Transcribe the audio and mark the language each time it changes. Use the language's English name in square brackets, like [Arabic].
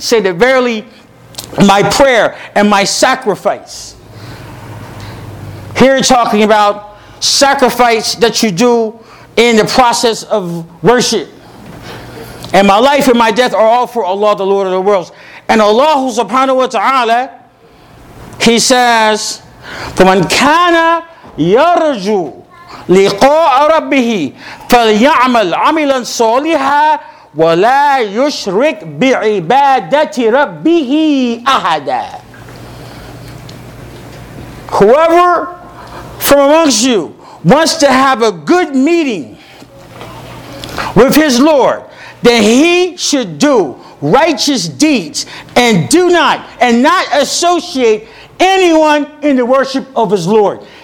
[English] Say that verily, my prayer and my sacrifice. Here talking about sacrifice that you do in the process of worship. And my life and my death are all for Allah, the Lord of the worlds. [Arabic] And Allah subhanahu wa ta'ala, [English] He says, [Arabic] فَمَنْ كَانَ يَرْجُو لِقَاءَ رَبِّهِ فَلْيَعْمَلْ عَمِلًا صَالِحًا وَلَا يُشْرِكْ بِعِبَادَةِ رَبِّهِ أَحَدًا. [English] Whoever from amongst you wants to have a good meeting with his Lord, then he should do righteous deeds and do not and not associate anyone in the worship of his Lord.